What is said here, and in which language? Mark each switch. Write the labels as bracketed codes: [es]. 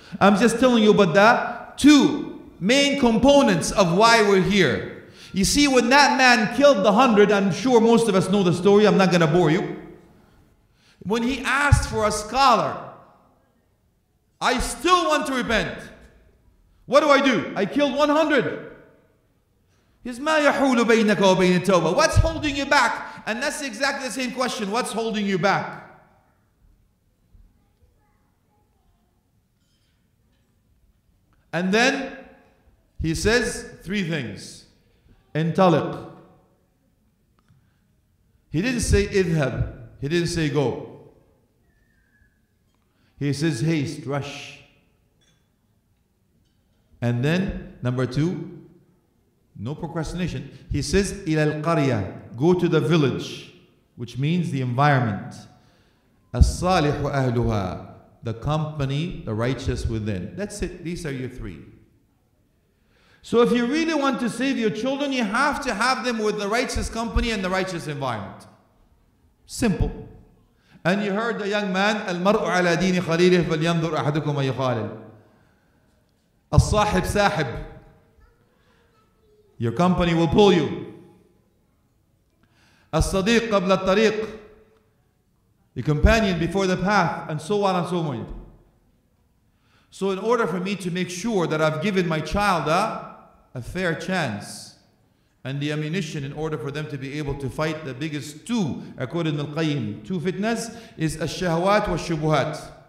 [en] I'm just telling you about that. Two main components of why we're here. You see, when that man killed the 100, I'm sure most of us know the story, I'm not going to bore you. When he asked for a scholar, I still want to repent. What do I do? I killed 100. [ar] He's ما يحول بينك وبين التوبة. [en] What's holding you back? And that's exactly the same question. What's holding you back? And then he says three things. [ar] انطلق. [en] He didn't say اذهب. He didn't say go. He says haste, rush. And then number two, no procrastination. He says [ar] إلى القرية, [en] go to the village, which means the environment. [ar] الصالح أهلها, [en] the company, the righteous within. That's it. These are your three. So if you really want to save your children, you have to have them with the righteous company and the righteous environment. Simple. And you heard the young man, [ar] المرء على دين خليله فلينظر أحدكم يخالل. الصاحب ساحب. [en] Your company will pull you. [ar] الصديق قبل الطريق. [en] Your companion before the path, and so on and so on. So in order for me to make sure that I've given my child a fair chance and the ammunition in order for them to be able to fight the biggest two, according to Al-Qayyim, two fitnas, is al-shahawat wa shubuhat.